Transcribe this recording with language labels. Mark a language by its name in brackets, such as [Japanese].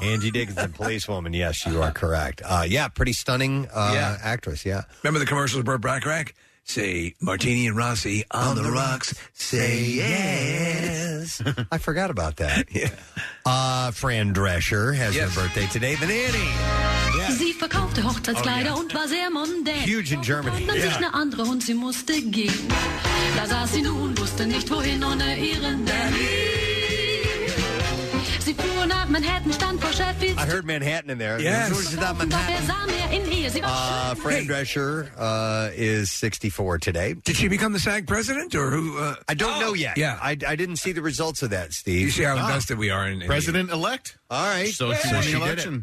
[English] Angie Dickinson, policewoman. Yes, you are correct. Pretty stunning actress, yeah. Remember the commercials of Burt Bacharach? Say, Martini and Rossi on the rocks, say yes. I forgot about that. Yeah. Fran Drescher has her birthday today. The Nanny! [German] Sie verkaufte Hochzeitskleider und war sehr mondän. [English] Huge in Germany. [German] Fand sich eine andere und sie musste gehen. Da saß sie nun, wusste nicht wohin ohne ihren Danny. Sie fuhr nach Manhattan, stand vor Sheffield. [English] I heard Manhattan in there. Yes. Fran Drescher is 64 today. Did she become the SAG president or who? I don't know yet. Yeah. I didn't see the results of that, Steve. You see how invested we are in president-elect? All right. So she did it.